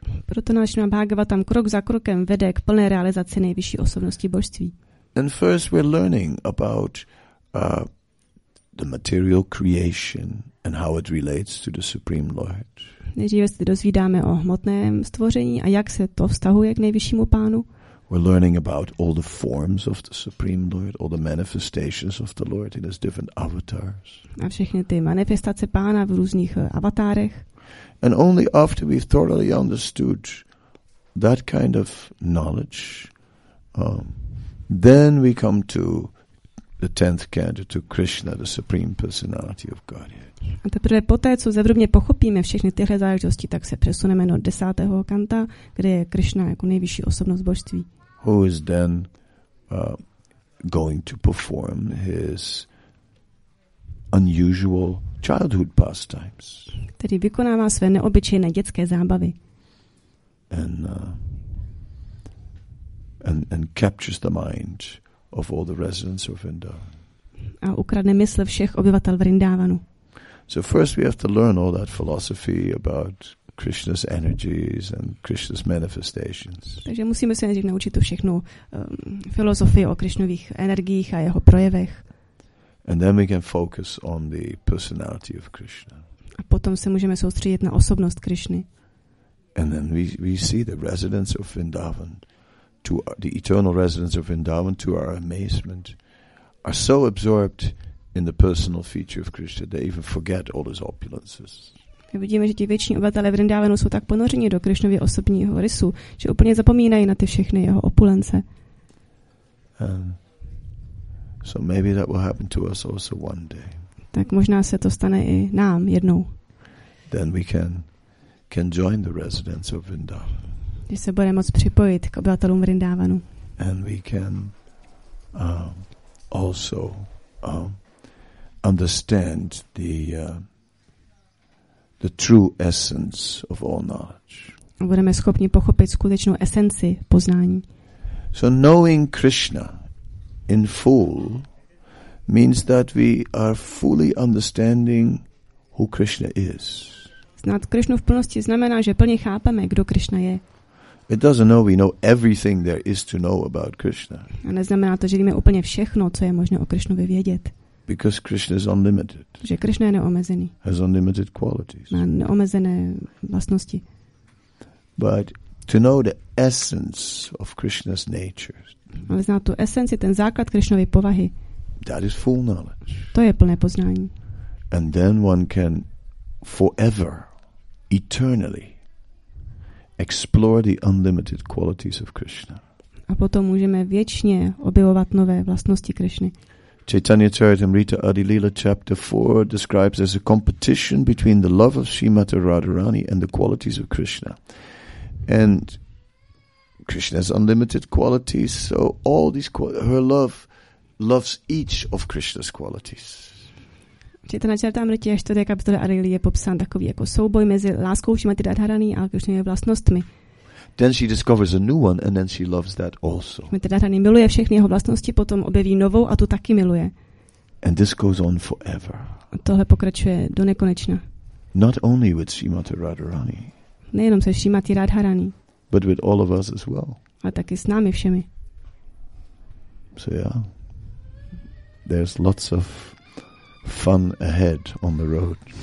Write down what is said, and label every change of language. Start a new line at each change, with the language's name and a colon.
Czech: Proto náš Bhagavatam krok za krokem vede k plné realizaci nejvyšší osobnosti božství.
English: And first we're learning about the material creation and how it relates to the Supreme Lord.
Czech: Nejdříve se dozvídáme o hmotném stvoření a jak se to vztahuje k nejvyššímu pánu.
English: We're learning about all the forms of the Supreme Lord, all the manifestations of the Lord in his different avatars.
Czech: A všechny ty manifestace pána v různých avatárech.
English: And only after we've thoroughly understood that kind of knowledge, then we come to the 10th canto, to Krishna, the Supreme Personality of Godhead.
Czech: A teprve poté, co zevrubně pochopíme všechny tyhle záležitosti, tak se přesuneme do 10. kanta, kde je Krishna jako nejvyšší osobnost božství.
English: Who is then going to perform his unusual childhood pastimes.
Czech: Který vykonává své neobyčejné dětské zábavy.
English: And captures the mind of all the residents of Vrindavan.
Czech: A ukradne mysl všech obyvatel Vrindavanu.
English: So first we have to learn all that philosophy about Krishna's energies and Krishna's manifestations.
Czech: Takže musíme se nejdřív naučit tu všechnu filozofii o Krishnových energiích a jeho projevech.
English: And then we can focus on the personality of Krishna.
Czech: A potom se můžeme soustředit na osobnost Krishny.
English: And then we see the residents of Vrindavan, to the eternal residents of Vrindavan, to our amazement, are so absorbed in the personal feature of Krishna they even forget all his opulences.
Czech: My vidíme, že ti věční obyvatelé Vrindavanu jsou tak ponořeni do Krishnovy osobního rysu, že úplně zapomínají na ty všechny jeho opulence.
English: So maybe that will happen to us also one day.
Czech: Tak možná se to stane i nám jednou.
English: Then we can join the residents of Vrindavan.
Czech: Když se budeme moct připojit k obyvatelům Vrindavanu.
English: And we can also understand the true essence of all knowledge.
Czech: Budeme schopni pochopit skutečnou esenci poznání.
English: So knowing Krishna in full means that we are fully understanding who Krishna is.
Czech: Znát Krishnu v plnosti znamená, že plně chápeme, kdo Krishna je.
English: It doesn't know we know everything there is to know about Krishna.
Czech: A neznamená to, že víme úplně všechno, co je možné o Krishnovi vědět.
English: Because Krishna is unlimited.
Czech: Že Krishna je neomezený.
English: Has unlimited qualities.
Czech: Má neomezené vlastnosti.
English: But to know the essence of Krishna's nature.
Czech: Ale znát tu esenci, ten základ Krishnovy povahy.
English: That is full knowledge.
Czech: To je plné poznání.
English: And then one can forever, eternally explore the unlimited qualities of Krishna.
Czech: A potom můžeme věčně objevovat nové vlastnosti Krishny.
English: Chaitanya Charitamrita Adi Lila chapter 4 describes as a competition between the love of Srimati Radharani and the qualities of Krishna. And Krishna has unlimited qualities, so all these her love loves each of Krishna's qualities.
Czech: Chaitanya Charitamrita 4. kapitole Adi Lila je popsán takový jako souboj mezi láskou Srimati Radharani a Krishnovými vlastnostmi.
English: Then she discovers a new one and then she loves that also.
Czech: Radharani miluje všechny jeho vlastnosti, potom objeví novou a tu taky miluje.
English: And this goes on forever.
Czech: Tohle pokračuje do nekonečna.
English: Not only with Srimati Radharani.
Czech: Nejenom se Srimati Radharani.
English: But with all of us as well.
Czech: A taky s námi všemi.
English: So yeah. There's lots of fun ahead on the road.